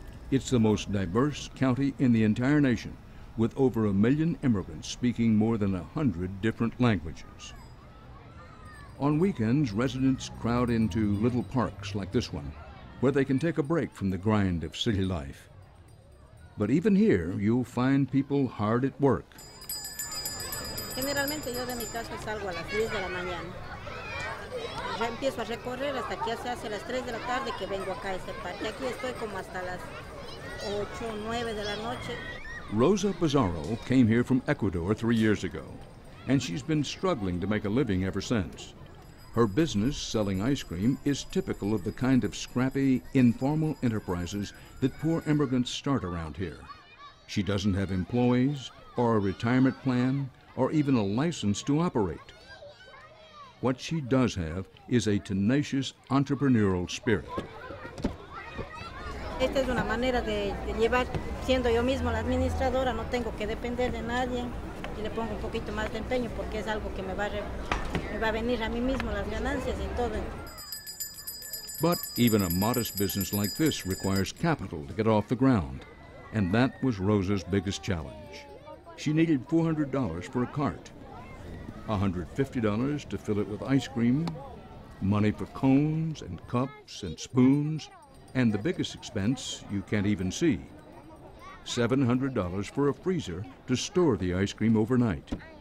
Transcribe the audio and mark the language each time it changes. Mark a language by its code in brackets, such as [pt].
[en] It's the most diverse county in the entire nation, with over a million immigrants speaking more than 100 different languages. On weekends, residents crowd into little parks like this one, where they can take a break from the grind of city life. But even here, you'll find people hard at work. [es] Generalmente yo de mi casa salgo a las 3 de la mañana. Ya empiezo a recorrer hasta que se hace las 3 de la tarde que vengo acá a este parque. Aquí estoy como hasta las 8, 9 de la noche. [en] Rosa Pizarro came here from Ecuador 3 years ago, and she's been struggling to make a living ever since. Her business, selling ice cream, is typical of the kind of scrappy, informal enterprises that poor immigrants start around here. She doesn't have employees, or a retirement plan, or even a license to operate. What she does have is a tenacious entrepreneurial spirit. [es] Esta es una manera de llevar, siendo yo mismo la administradora, no tengo que depender de nadie y le pongo un poquito más de empeño porque es algo que me va a venir a mí mismo las ganancias y todo. [en] But even a modest business like this requires capital to get off the ground, and that was Rosa's biggest challenge. She needed $400 for a cart, $150 to fill it with ice cream, money for cones and cups and spoons, and the biggest expense you can't even see, $700 for a freezer to store the ice cream overnight.